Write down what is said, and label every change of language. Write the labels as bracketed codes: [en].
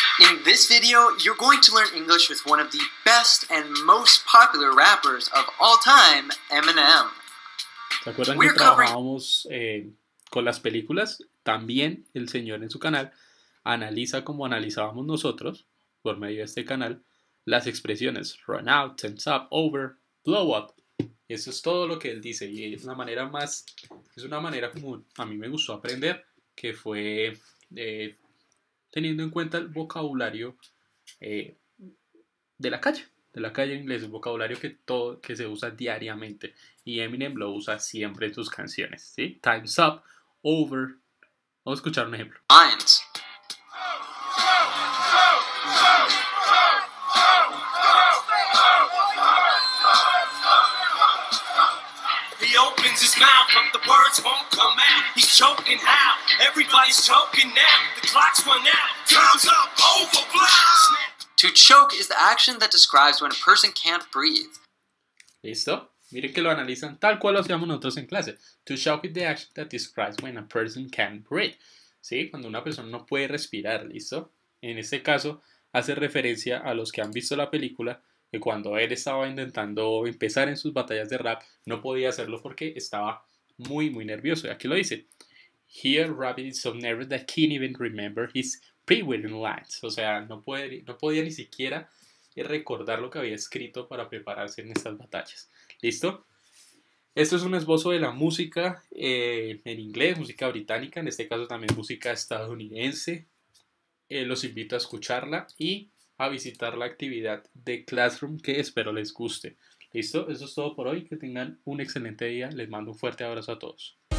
[en] In this video, you're going to learn English with one of the best and most popular rappers of all time, Eminem. [es] ¿Se acuerdan que trabajábamos con las películas? También el señor en su canal analiza como analizábamos nosotros, por medio de este canal, las expresiones run out, tense up, over, blow up. Eso es todo lo que él dice y es una manera más, es una manera como a mí me gustó aprender, que fue teniendo en cuenta el vocabulario de la calle en inglés, un vocabulario que se usa diariamente y Eminem lo usa siempre en sus canciones, ¿sí? [en] Time's up, over. [es] Vamos a escuchar un ejemplo. [en] Lines. His mouth, but the words won't come out. He's choking how? Everybody's choking now. The clock's run out. Time's up, over, blast. To choke is the action that describes when a person can't breathe. [es] ¿Listo? Miren que lo analizan tal cual lo hacíamos nosotros en clase. [en] To choke is the action that describes when a person can't breathe. [es] ¿Sí? Cuando una persona no puede respirar, ¿listo? En este caso, hace referencia a los que han visto la película. Que cuando él estaba intentando empezar en sus batallas de rap, no podía hacerlo porque estaba muy, muy nervioso. Y aquí lo dice. [en] Here, Rabbit is so nervous that he can't even remember his pre-written lines. [es] O sea, no podía ni siquiera recordar lo que había escrito para prepararse en estas batallas. ¿Listo? Esto es un esbozo de la música en inglés, música británica. En este caso también música estadounidense. Los invito a escucharla y a visitar la actividad de Classroom que espero les guste. ¿Listo? Eso es todo por hoy. Que tengan un excelente día. Les mando un fuerte abrazo a todos.